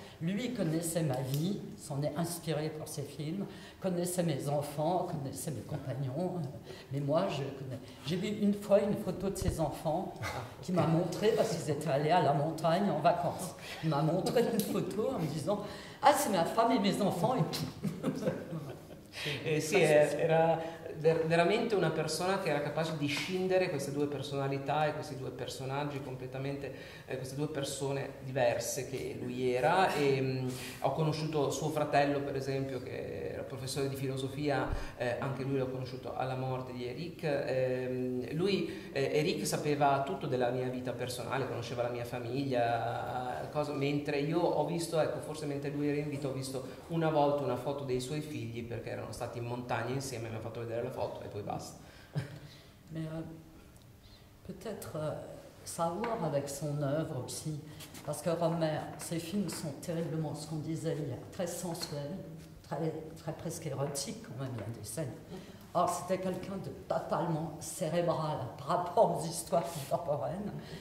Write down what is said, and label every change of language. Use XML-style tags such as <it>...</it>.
<fr>Lui connaissait ma vie, s'en est inspiré pour ses films, connaissait mes enfants, connaissait mes compagnons, mais moi je connais. J'ai vu une fois une photo de ses enfants qui m'a montré, parce qu'ils étaient allés à la montagne en vacances, il m'a montré une photo en me disant « Ah, c'est ma femme et mes enfants !»</fr> <it>Et si, era veramente una persona che era capace di scindere queste due personalità e questi due personaggi completamente, queste due persone diverse che lui era. E ho conosciuto suo fratello, per esempio, che era professore di filosofia, anche lui l'ho conosciuto alla morte di Eric. Eric sapeva tutto della mia vita personale, conosceva la mia famiglia, mentre io ho visto, ecco, forse mentre lui era in vita, ho visto una volta una foto dei suoi figli perché erano stati in montagna insieme e mi ha fatto vedere la foto e poi basta.</it> <fr>Mais peut-être savoir avec son œuvre aussi, parce que Rohmer, ses films sont terriblement, ce qu'on disait hier, très sensuels, très, très presque érotiques quand même, il y a des scènes. Or, c'était quelqu'un de totalement cérébral par rapport aux histoires contemporaines.</fr>